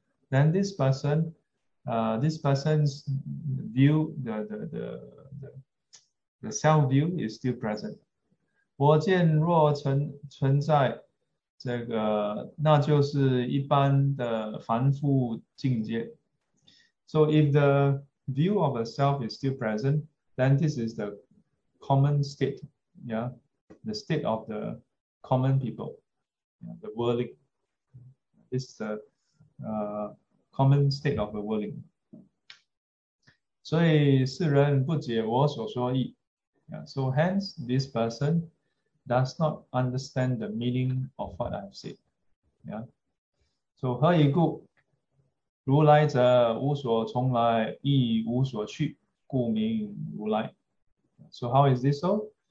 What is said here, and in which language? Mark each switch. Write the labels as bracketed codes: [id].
[en] Then this person's view, the self view is still present. [zh] 我见若存在。这个，那就是一般的凡夫境界。 [en] So if the view of a self is still present, then this is the common state, the state of the common people, the worldling. This is the common state of the worldling. [zh] 所以世人不解我所说意。 [en] So hence this person does not understand the meaning of what I've said. So [zh] 何以故？如来者无所从来，亦无所去，故名如来。 [en] So how is this so?